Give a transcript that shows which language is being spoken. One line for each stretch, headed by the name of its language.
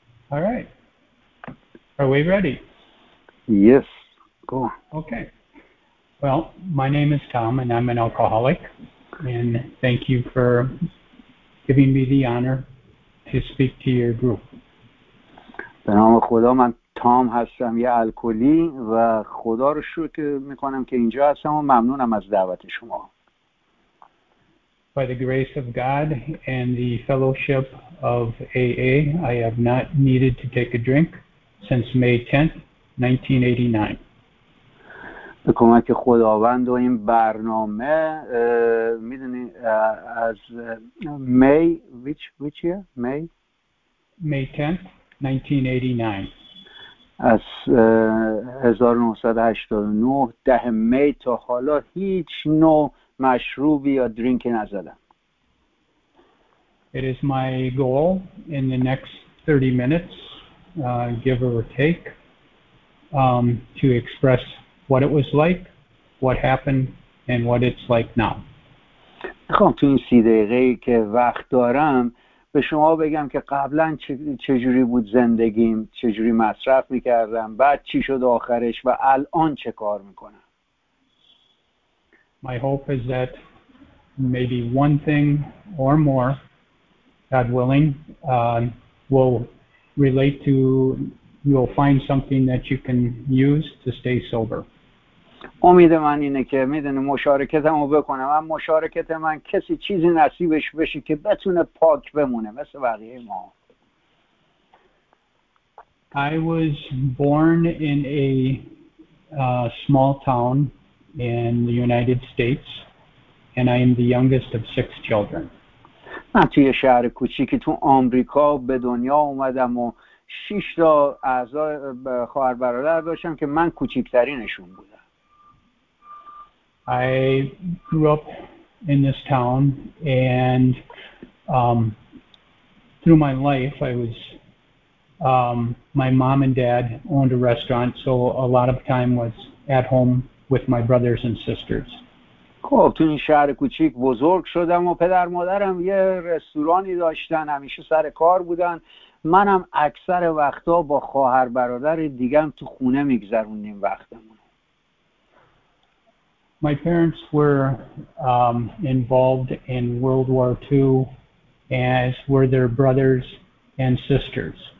English: All right. Are we ready? Yes. Go on. Okay. Well, my name is Tom, and I'm an alcoholic. And thank you for giving me the honor to speak to your group.
Persian: به نام خدا، من تام هستم، یه الکلی، و خدا رو شکر میکنم که اینجا هستم و ممنونم از دعوت شما.
English: By the grace of God and the fellowship of AA, I have not needed to take a drink since May 10th, 1989.
Persian: به کمک خداوند و این برنامه، میدونی از می،
English: which year؟
Persian: می؟
English: May 10th. 1989.
Persian: از 1989 ده می تا حالا هیچ نوع مشروبی یا درینکی نزدم.
English: It is my goal in the next 30 minutes, give or take, to express what it was like, what happened, and what it's like now.
Persian: میخوام تو این 30 دقیقه که وقت دارم به شما بگم که قبلا چجوری بود زندگیم، چجوری مصرف میکردم، بعد چی شد آخرش و الان چه کار میکنم.
English: My hope is that maybe one thing or more, God willing, will relate to, you'll find something that you can use to stay sober.
Persian: امید من اینه که میدونه مشارکتم رو بکنم، اما مشارکت من کسی چیزی نصیبش بشه که بتونه پاک بمونه مثل بقیه ما.
English: I was born in a small town in the United States and I am the youngest of six children.
Persian: من توی شهر کوچیکی تو آمریکا به دنیا اومدم و شش تا اعضای خواهر برادر داشتم که من کوچیکترینشون بودم.
English: I grew up in this town and through my life I was my mom and dad owned a restaurant, so a lot of time was at home with my brothers and sisters.
Persian: خب تو این شهر کوچیک بزرگ شدم و پدر مادرم یه رستورانی داشتن، همیشه سر کار بودن، منم اکثر وقتا با خواهر برادر دیگم تو خونه میگذروندیم وقتمون.
English: My parents were involved in World War II, as were their brothers and sisters.